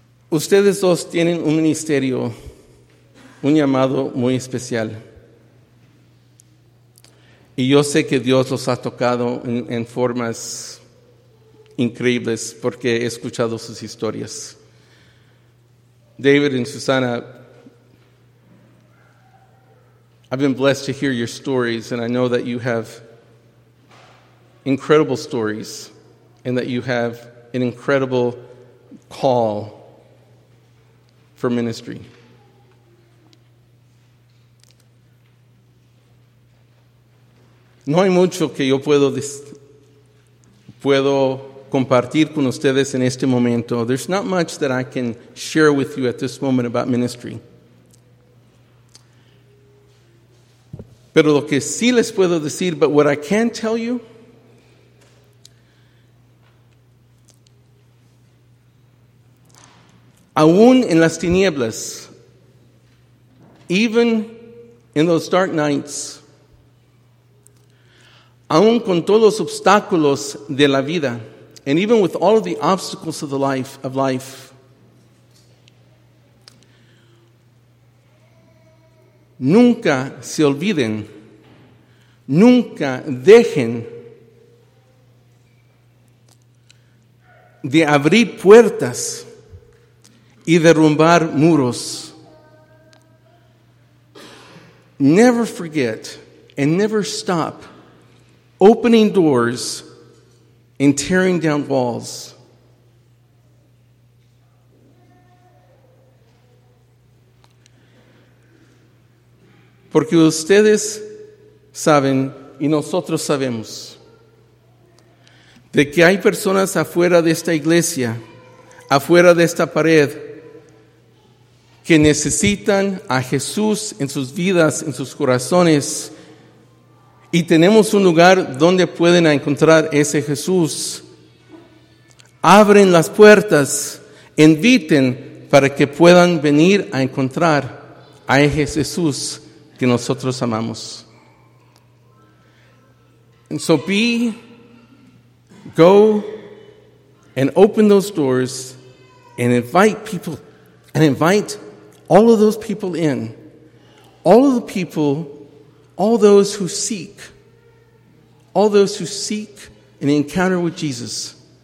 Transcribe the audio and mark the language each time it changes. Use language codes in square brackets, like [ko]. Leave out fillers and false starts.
[es] Ustedes dos tienen un ministerio, un llamado muy especial. Y yo sé que Dios los ha tocado en formas increíbles porque he escuchado sus historias. [en] David and Susana, I've been blessed to hear your stories, and I know that you have incredible stories and that you have an incredible call for ministry. [es] No hay mucho que yo puedo compartir con ustedes en este momento. [en] There's not much that I can share with you at this moment about ministry. [es] Pero lo que sí les puedo decir, [en] but what I can tell you, [es] aún en las tinieblas, [en] even in those dark nights, [es] aún con todos los obstáculos de la vida, [en] and even with all of the obstacles of life, [es] nunca se olviden. Nunca dejen de abrir puertas y derrumbar muros. [en] Never forget and never stop opening doors and tearing down walls. [es] Porque ustedes saben, y nosotros sabemos, de que hay personas afuera de esta iglesia, afuera de esta pared, que necesitan a Jesús en sus vidas, en sus corazones, y tenemos un lugar donde pueden encontrar ese Jesús. Abren las puertas, inviten para que puedan venir a encontrar a ese Jesús que nosotros amamos. [en] And so go and open those doors and invite people and invite all of those people in. All of the people, all those who seek an encounter with Jesus.